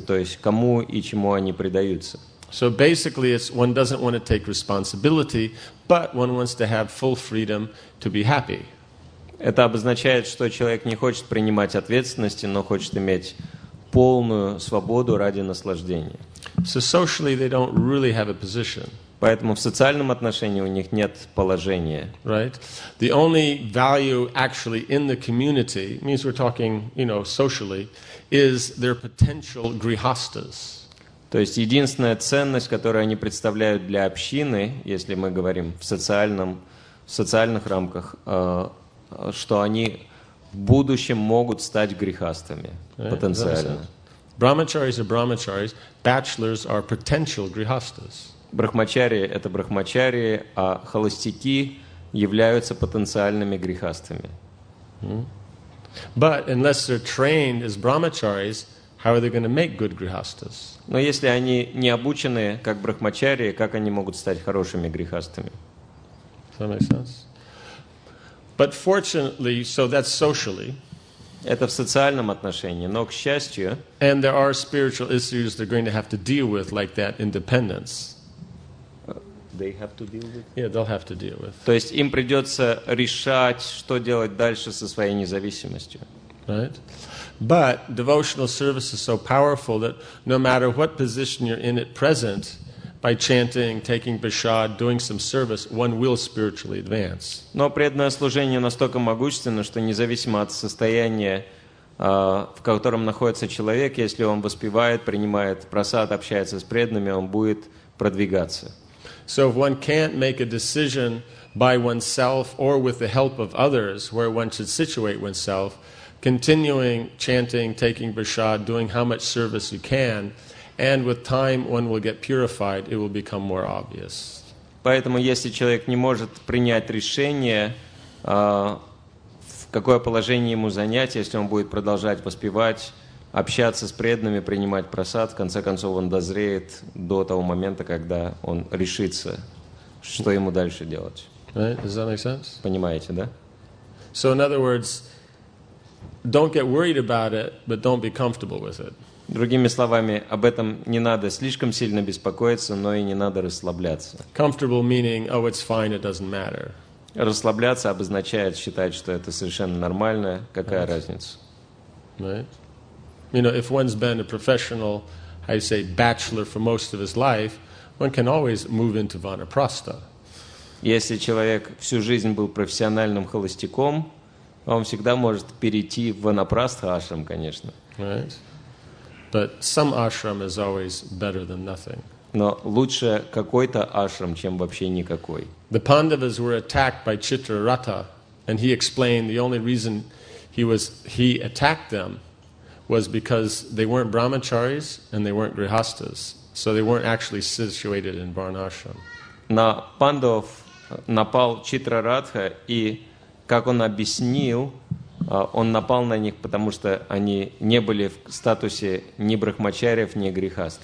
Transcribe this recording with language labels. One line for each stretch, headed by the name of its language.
Russian: То есть кому и чему они предаются?
English: So basically, it's one doesn't want to take responsibility, but one wants to have full freedom to be happy.
Russian: Это обозначает, что человек не хочет принимать ответственности, но хочет иметь полную свободу ради наслаждения.
English: So socially, they don't really have a position.
Russian: Поэтому в социальном отношении у них нет положения.
English: Right? The only value actually in the community, means we're talking, you know, socially, is their potential grihasthas.
Russian: То есть единственная ценность, которую они представляют для общины, если мы говорим в социальных рамках, что они в будущем могут стать грихастами, right, потенциально.
English: Brahmacharis are brahmacharis, bachelors are potential grihasthas.
Russian: Брахмачари — это брахмачари, а холостяки являются потенциальными грихастами.
English: But unless they're trained as brahmacharis, how are they going to make good grihasthas?
Russian: Но если они не обучены как брахмачари, как они могут стать хорошими грихастами?
English: Does that make sense? But fortunately, so that's socially.
Russian: Это в социальном отношении, но к счастью.
English: And there are spiritual issues they're going to have to deal with, like that independence. They have to deal with. Yeah, they'll have to deal with.
Russian: То есть им придется решать, что делать дальше со своей независимостью.
English: Right. But devotional service is so powerful that no matter what position you're in at present, by chanting, taking prasad, doing some service, one will spiritually advance.
Russian: Но преданное служение настолько могущественно, что независимо от состояния, в котором находится человек, если он воспевает, принимает прасад, общается с преданными, он будет продвигаться.
English: So if one can't make a decision by oneself or with the help of others where one should situate oneself, continuing chanting, taking prasad, doing how much service you can, and with time one will get purified, it will become more obvious.
Russian: Поэтому если человек не может принять решение, в какое положение ему занять, если он будет продолжать воспевать, общаться с преданными, принимать прасад, в конце концов он дозреет до того момента, когда он решится, что ему дальше делать.
English: Right? Does that make sense?
Russian: Понимаете, да?
English: So in other words, don't get worried about it, but don't be comfortable with it.
Russian: Другими словами, об этом не надо слишком сильно беспокоиться, но и не надо расслабляться.
English: Comfortable meaning, oh, it's fine, it doesn't matter.
Russian: Расслабляться обозначает считать, что это совершенно нормально, какая разница.
English: Right. You know, if one's been a professional, I say bachelor for most of his life, one can always move into vanaprastha.
Russian: Если человек всю жизнь был профессиональным холостяком, он всегда может перейти в ванапрастха ашрам, конечно.
English: Right. But some ashram is always better than nothing.
Russian: Но лучше какой-то ашрам, чем вообще никакой.
English: The Pandavas were attacked by Chitrarata, and he explained the only reason he attacked them was because they weren't brahmacharis and they weren't grihasthas, so they weren't actually situated in varnashram.
Russian: На пандов напал Читраратха, и как он объяснил, он напал на них, потому что они не были в статусе ни брахмачарьев, ни грихас.